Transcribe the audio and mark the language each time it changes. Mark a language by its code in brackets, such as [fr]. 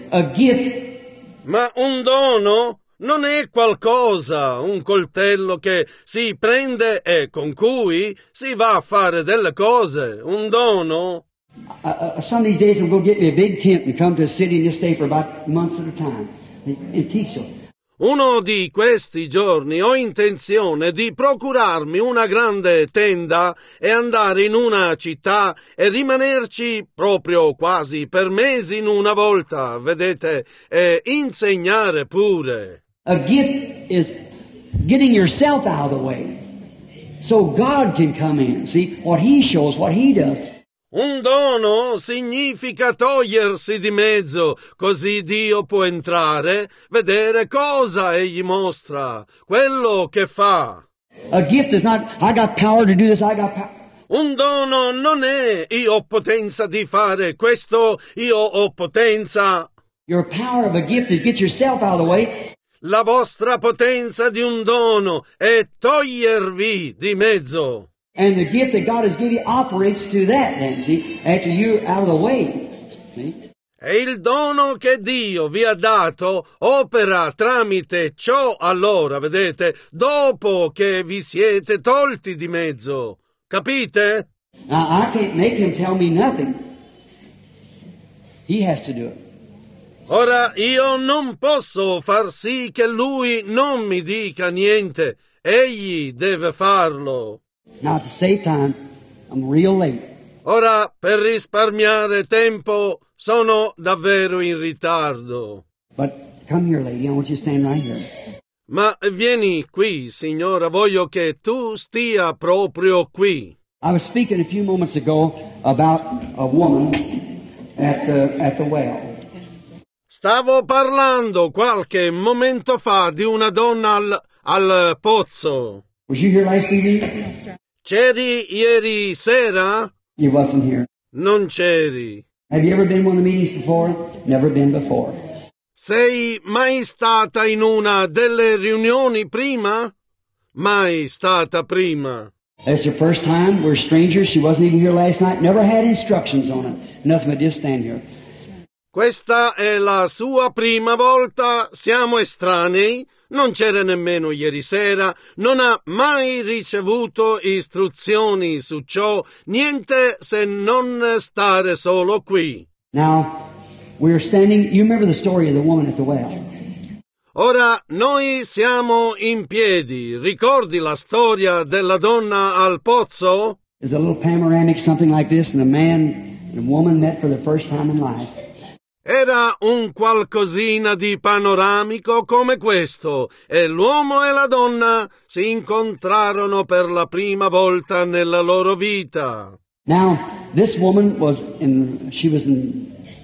[en] A gift. [it] Ma un dono non è qualcosa, un coltello che si prende e con cui si va a fare delle cose. Un dono. [en] Some of these days I'm going to get me a big tent and come to a city and just stay for about months at a time and teach them. [it] Uno di questi giorni ho intenzione di procurarmi una grande tenda e andare in una città e rimanerci proprio quasi per mesi in una volta, vedete, e insegnare pure. [en] A gift is getting yourself out of the way so God can come in. See, what he shows, what he does. [it] Un dono significa togliersi di mezzo, così Dio può entrare, vedere cosa egli mostra, quello che fa. [en] A gift is not, I got power to do this, I got power. [it] Un dono non è, io ho potenza di fare questo, io ho potenza. [en] Your power of a gift is get yourself out of the way. [it] La vostra potenza di un dono è togliervi di mezzo. [en] And the gift that God has given you operates through that, then, see, after you're out of the way. [it] E il dono che Dio vi ha dato opera tramite ciò allora, vedete, dopo che vi siete tolti di mezzo. Capite? [en] Now, I can't make him tell me nothing. He has to do it. [it] Ora, io non posso far sì che lui non mi dica niente. Egli deve farlo. [en] Now, to save time, I'm real late. [it] Ora, per risparmiare tempo, sono davvero in ritardo. [en] But come here, lady. I want you to stand right here. [it] Ma vieni qui, signora. Voglio che tu stia proprio qui. [en] I was speaking a few moments ago about a woman at the well. [it] Stavo parlando qualche momento fa di una donna al pozzo. [en] Was you here last evening? [it] C'eri ieri sera? [en] You wasn't here. [it] Non c'eri. [en] Have you ever been in one of the meetings before? Never been before. [it] Sei mai stata in una delle riunioni prima? Mai stata prima. [en] That's your first time. We're strangers. She wasn't even here last night. Never had instructions on it. Nothing but just stand here. [it] Questa è la sua prima volta. Siamo estranei. Non c'era nemmeno ieri sera, non ha mai ricevuto istruzioni su ciò, niente se non stare solo qui. [en] Now, we're standing, you remember the story of the woman at the well. [it] Ora, noi siamo in piedi, ricordi la storia della donna al pozzo? [en] It's a little panoramic, something like this, and a man and a woman met for the first time in life. [it] Era un qualcosina di panoramico come questo, e l'uomo e la donna si incontrarono per la prima volta nella loro vita. [en] Now, this woman was in shame.